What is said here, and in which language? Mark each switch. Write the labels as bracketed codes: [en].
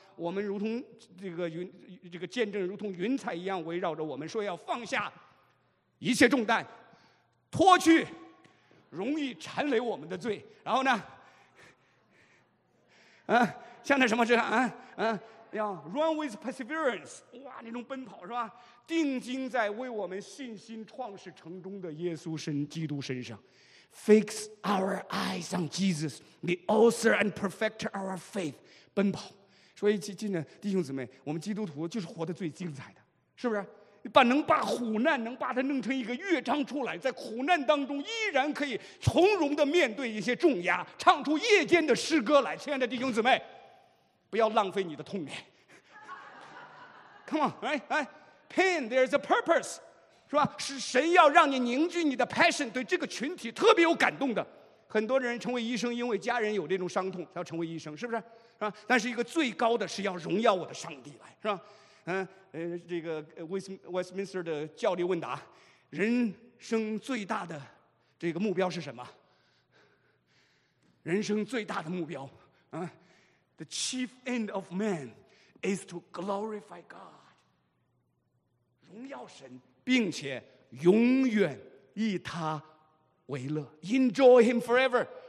[zh] 我们如同这个见证，如同云彩一样围绕着我们，说要放下一切重担，脱去容易缠累我们的罪，然后呢，像那什么似的，要 [en] run with perseverance， [zh] 哇，那种奔跑是吧？定睛在为我们信心创始成终的耶稣神基督身上 ， [en] fix our eyes on Jesus， the author and perfecter of our faith， [zh] 奔跑。所以，今天弟兄姊妹，我们基督徒就是活得最精彩的，是不是？能把苦难能把它弄成一个乐章出来，在苦难当中依然可以从容地面对一些重压，唱出夜间的诗歌来。亲爱的弟兄姊妹，不要浪费你的痛点。 [en] Come on， 哎 ，Pain there's a purpose， [zh] 是吧？是神要让你凝聚你的 passion， 对这个群体特别有感动的。很多人成为医生，因为家人有这种伤痛，要成为医生，是不是？是吧？但是一个最高的是要荣耀我的上帝来，是吧？这个 Westminster 的教理问答，人生最大的这个目标是什么？人生最大的目标啊 [en] ，The chief end of man is to glorify God， [zh] 荣耀神，并且永远以他为乐 [en] ，Enjoy Him forever。